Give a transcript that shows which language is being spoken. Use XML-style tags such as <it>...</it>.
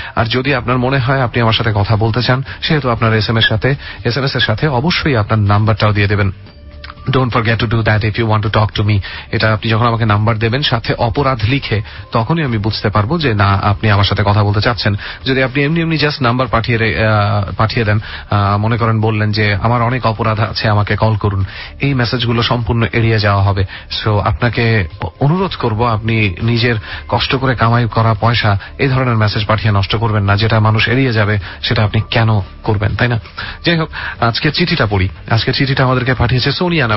<bn>আর যদি আপনার মনে হয় আপনি আমার সাথে কথা বলতে চান, সেহেতু আপনার SMS এর সাথে অবশ্যই আপনার নাম্বারটাও দিয়ে দেবেন।</bn> <en>Don't forget to do that if you want to talk to me.</en> <bn>এটা আপনি যখন আমাকে নাম্বার দেবেন সাথে অপরাধ লিখে, তখনই আমি বুঝতে পারবো যে না আপনি আমার সাথে কথা বলতে চাচ্ছেন। যদি আপনি এমনি এমনি জাস্ট নাম্বার পাঠিয়ে দেন, মনে করেন বললেন যে আমার অনেক অপরাধ আছে আমাকে কল করুন, এই মেসেজগুলো সম্পূর্ণ এড়িয়ে যাওয়া হবে। সো আপনাকে অনুরোধ করব আপনি নিজের কষ্ট করে কামাই করা পয়সা এই ধরনের মেসেজ পাঠিয়ে নষ্ট করবেন না, যেটা মানুষ এড়িয়ে যাবে সেটা আপনি কেন করবেন, তাই না? যাই হোক, আজকে চিঠিটা পড়ি। আজকে চিঠিটা আমাদেরকে পাঠিয়েছে সোনিয়া।</bn>